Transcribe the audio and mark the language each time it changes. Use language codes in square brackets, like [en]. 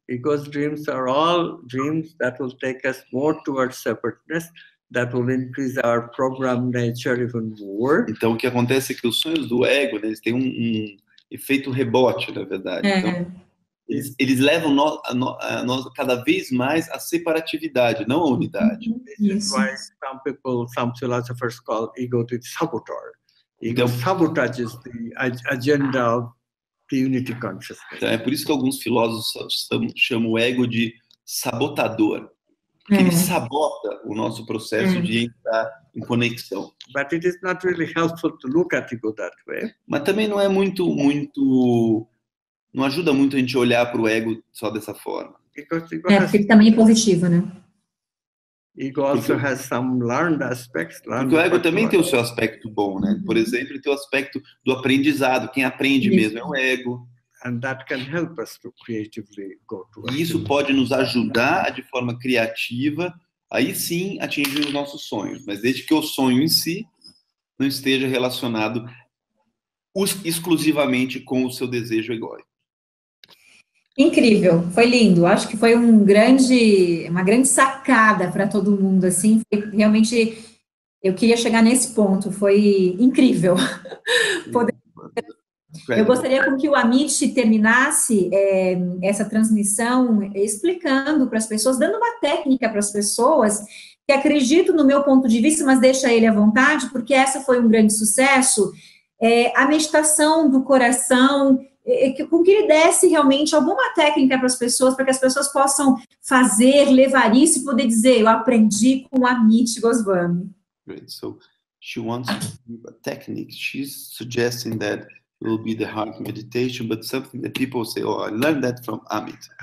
[en] Ego's dreams are all dreams that will take us more towards separateness, that will increase our program nature even more. [pt] Então, o que acontece é que os sonhos do ego, né, eles têm um efeito rebote, na verdade. Então, eles levam nós cada vez mais à separatividade, não à unidade. Isso. [en] Why some people, some philosophers call ego the saboteur. Ego sabotages the agenda of the unity consciousness. [pt] Então, é por isso que alguns filósofos chamam o ego de sabotador. Porque ele sabota o nosso processo de entrar em conexão. [en] But it is not really helpful to look at ego that way. [pt] Mas também não é muito não ajuda muito a gente olhar para o ego só dessa forma. Porque ele também é positivo, né? [en] Ego also has some learned aspects. [pt] Porque o ego também tem o seu aspecto bom, né? Por exemplo, ele tem o aspecto do aprendizado. Quem aprende mesmo é o ego. [en] And that can help us to creatively go to [pt] e isso pode nos ajudar de forma criativa, aí sim atingir os nossos sonhos. Mas desde que o sonho em si não esteja relacionado exclusivamente com o seu desejo egóico. Incrível, foi lindo. Acho que foi uma grande sacada para todo mundo. Assim, realmente, eu queria chegar nesse ponto. Foi incrível. Eu gostaria que o Amit terminasse essa transmissão explicando para as pessoas, dando uma técnica para as pessoas, que acredito no meu ponto de vista, mas deixa ele à vontade, porque essa foi um grande sucesso. A meditação do coração, com que ele desse realmente alguma técnica para as pessoas, para que as pessoas possam fazer, levar isso e poder dizer, eu aprendi com a Amit Goswami. [en] Great, so she wants to give a technique. She's suggesting that it will be the heart meditation, but something that people say, oh, I learned that from Amit.